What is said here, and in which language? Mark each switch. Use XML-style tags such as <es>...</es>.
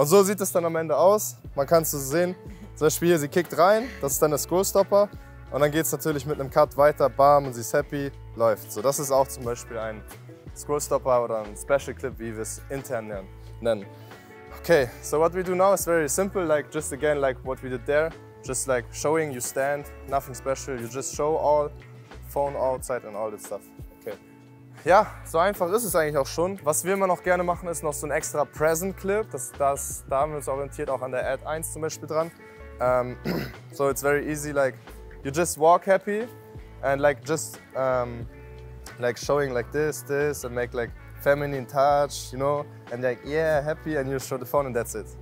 <de>Und so sieht es dann am Ende aus. Man kann es so sehen. Zum Beispiel hier, sie kickt rein, das ist dann der Scorestopper. Und dann geht es natürlich mit einem Cut weiter, bam, und sie ist happy, läuft. So, das ist auch zum Beispiel ein Scorestopper oder ein Special Clip, wie wir es intern nennen.</de> <en>Okay, so what we do now is very simple, like just again, like what we did there. Just like showing, you stand, nothing special, you just show all, phone outside and all that stuff. Okay.</en> <de>Ja, so einfach ist es eigentlich auch schon. Was wir immer noch gerne machen, ist noch so ein extra Present Clip. Da haben wir uns orientiert, auch an der Ad 1 zum Beispiel dran.</de> <en>So it's very easy, like you just walk happy and like just like showing like this and make like feminine touch, you know, and like yeah, happy, and you show the phone and that's it.</en>